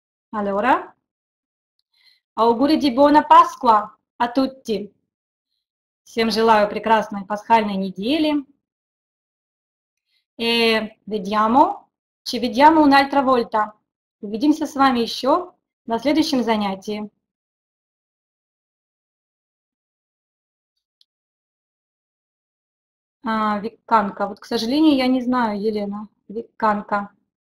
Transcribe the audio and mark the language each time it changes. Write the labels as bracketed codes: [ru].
[it] Allora, auguri di buona Pasqua a tutti. [ru] Всем желаю прекрасной пасхальной недели. [it] E vediamo, ci vediamo un'altra volta. [ru] Увидимся с вами еще на следующем занятии. Виканка, вот, к сожалению, я не знаю, Елена, Виканка.